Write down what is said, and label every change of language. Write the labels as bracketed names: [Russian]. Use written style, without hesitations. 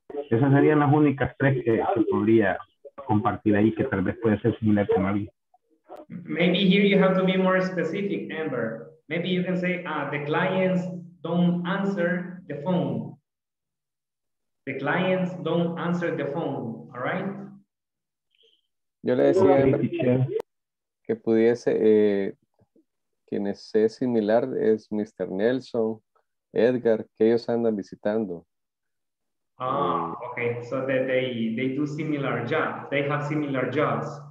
[Spanish] Esas serían las únicas tres que se podría compartir ahí, que tal vez puede ser similar con alguien. [English] Maybe here you have to be more specific, Amber. Maybe you can say, the clients don't answer the phone. The clients don't answer the phone, all right? [Spanish] Yo le decía que pudiese, quienes sé similar es Mr. Nelson, Edgar, que ellos andan visitando. [English] Okay, so that they do similar jobs. They have similar jobs.